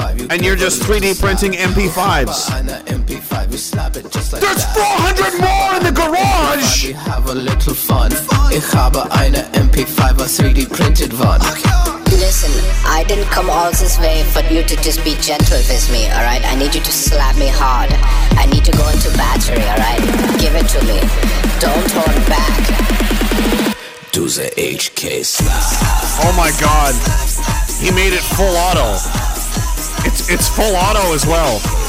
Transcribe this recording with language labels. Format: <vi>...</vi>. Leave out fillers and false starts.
<en>And you're just 3D printing MP5s. There's 400 more in the garage! Have a little fun.</en> <de>Ich habe eine MP5,</de> <en>a 3D printed one. Listen, I didn't come all this way for you to just be gentle with me, alright? I need you to slap me hard. I need to go into battery, alright? Give it to me. Don't hold back. Do the HK slap. Oh my god. He made it full auto. It's full auto as well.</en>